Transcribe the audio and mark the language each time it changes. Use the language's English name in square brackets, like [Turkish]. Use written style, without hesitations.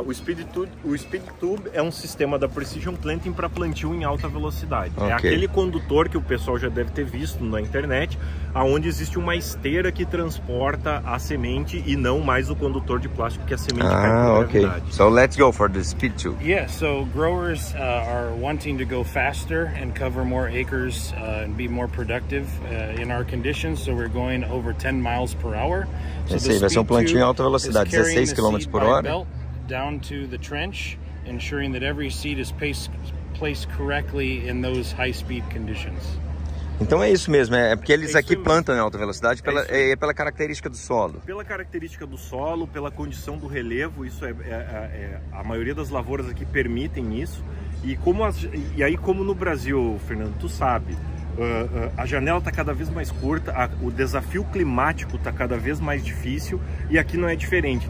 [Portuguese] O speed tube é um sistema da Precision Planting para plantio em alta velocidade. Okay. É aquele condutor que o pessoal já deve ter visto na internet, onde existe uma esteira que transporta a semente e não mais o condutor de plástico que a semente cai com gravidade. [English] So let's go for the speed tube. Yeah, so growers are wanting to go faster and cover more acres and be more productive in our conditions. So we're going over 10 miles per hour. [Portuguese] Esse aí vai ser um plantio em alta velocidade, 16 km por hora. [English] down to the trench, ensuring that every seat is placed correctly in those high speed conditions. [Portuguese] Então é isso mesmo, é porque eles aqui plantam em alta velocidade pela característica do solo. Pela característica do solo, pela condição do relevo, isso é a maioria das lavouras aqui permitem isso. E como como no Brasil, Fernando, tu sabe, a janela está cada vez mais curta, o desafio climático está cada vez mais difícil e aqui não é diferente.